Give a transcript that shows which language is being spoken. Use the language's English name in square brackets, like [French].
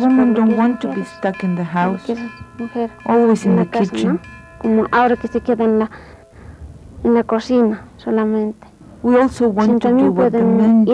[English] The women don't want to be stuck in the house. [Spanish] Mujer. [English] Always in the kitchen. [Spanish] Como ahora que se queda en la cocina solamente. [English] We also want to do what the men do.